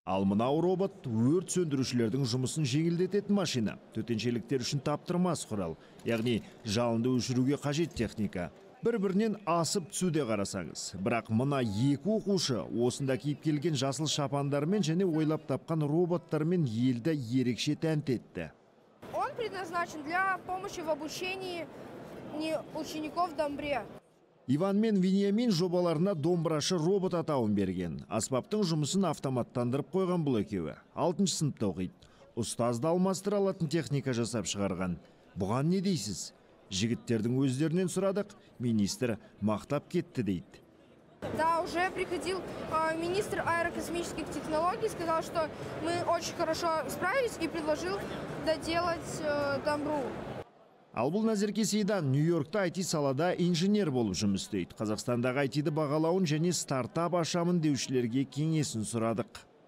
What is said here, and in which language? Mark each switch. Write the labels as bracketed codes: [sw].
[kk] Ал мынау робот өрт сөндірушілердің жұмысын жеңілдететін машина. Төтеншеліктер үшін таптырмас құрал. Яғни жалынды өшіруге қажет техника. Бір-бірінен асып түсуде қарасаңыз. Бірақ мына екі оқушы осында киіп келген жасыл шапандармен және ойлап тапқан роботтармен елді ерекше тәнті етті. [ru] Он предназначен для помощи в обучении учеников домбре. [kk] Иван мен Вениамин жобаларына домбырашы робот атауын берген. Аспаптың жұмысын автоматтандырып қойған бұл екеуі. 6-шы сыныпта оқиды. Ұстазды алмастыра алатын техника жасап шығарған. Бұған не дейсіз? Жігіттердің өздерінен сұрадық, министр мақтап кетті дейді. [ru] Да, уже приходил министр аэрокосмических технологий, сказал, что мы очень хорошо справились и предложил доделать домбру. [kk] Ал бұл Назерке Сейдан Нью-Йоркта IT салада инженер болып жұмыс істейді. Қазақстандағы IT-ді бағалауын және стартап ашамын деушілерге кеңесін сұрадық.